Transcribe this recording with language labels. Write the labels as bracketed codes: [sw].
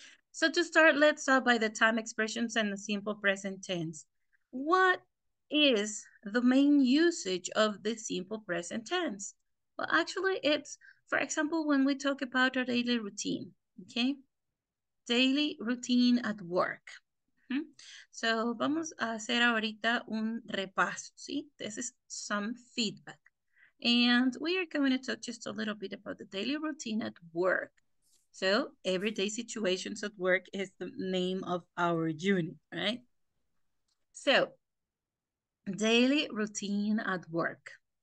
[en] So to start, let's start by the time expressions and the simple present tense. What is the main usage of the simple present tense? Well, actually, it's, for example, when we talk about our daily routine, okay? Daily routine at work. [es] So vamos a hacer ahorita un repaso, ¿sí? [en] This is some feedback. And we are going to talk just a little bit about the daily routine at work. So everyday situations at work is the name of our unit, right? So daily routine at work.